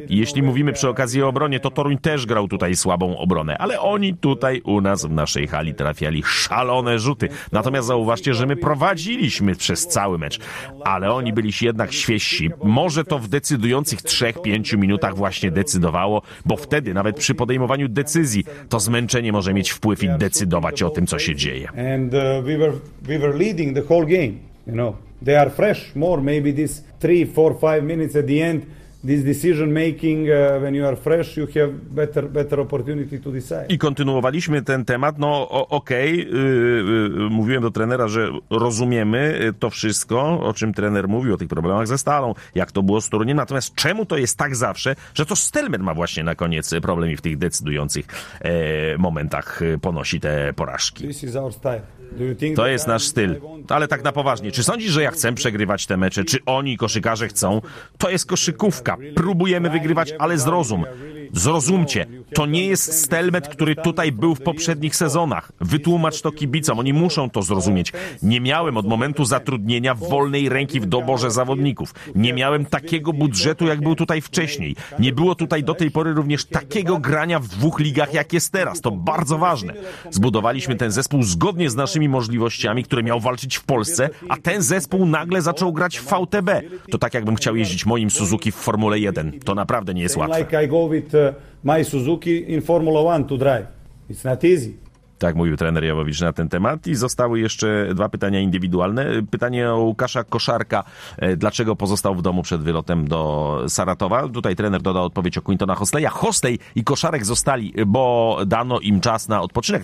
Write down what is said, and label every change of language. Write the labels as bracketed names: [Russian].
[Polish] Jeśli mówimy przy okazji o obronie, to Toruń też grał tutaj słabą obronę, ale oni tutaj u nas w naszej hali trafiali szalone rzuty. Natomiast zauważcie, że my prowadziliśmy przez cały mecz, ale oni byli jednak świeżsi. Może to w decydujących 3-5 minutach właśnie decydowało, bo wtedy nawet przy podejmowaniu decyzji to zmęczenie może mieć wpływ i decydować o tym, co się dzieje. [English] And we were leading the whole game, you know. They are fresh more, maybe this 3-5 minutes at the end. This decision making, when you are fresh, you have better opportunity to decide. [Polish] I kontynuowaliśmy ten temat. No okej, mówiłem do trenera, że rozumiemy to wszystko, o czym trener mówił, o tych problemach ze Stalą, jak to było z Toruniem. Natomiast czemu to jest tak zawsze, że to Stelmet ma właśnie na koniec problem i w tych decydujących momentach ponosi te porażki? [English] This is our style. [Polish] To jest nasz styl. Ale tak na poważnie, czy sądzisz, że ja chcę przegrywać te mecze? Czy oni, koszykarze, chcą? To jest koszykówka. Próbujemy wygrywać, ale zrozum. Zrozumcie, to nie jest Stelmet, który tutaj był w poprzednich sezonach. Wytłumacz to kibicom, oni muszą to zrozumieć. Nie miałem od momentu zatrudnienia wolnej ręki w doborze zawodników. Nie miałem takiego budżetu, jak był tutaj wcześniej. Nie było tutaj do tej pory również takiego grania w dwóch ligach, jak jest teraz. To bardzo ważne. Zbudowaliśmy ten zespół zgodnie z naszymi możliwościami, które miał walczyć w Polsce, a ten zespół nagle zaczął grać w VTB. To tak, jakbym chciał jeździć moim Suzuki w Formule 1. To naprawdę nie jest łatwe. [English] My Suzuki in Formula 1 to drive. It's not easy. [Polish] Tak mówił trener Jowowicz na ten temat i zostały jeszcze dwa pytania indywidualne. Pytanie o Łukasza Koszarka. Dlaczego pozostał w domu przed wylotem do Saratowa? Tutaj trener dodał odpowiedź o Quintona Hosteya. Hostej i Koszarek zostali, bo dano im czas na odpoczynek.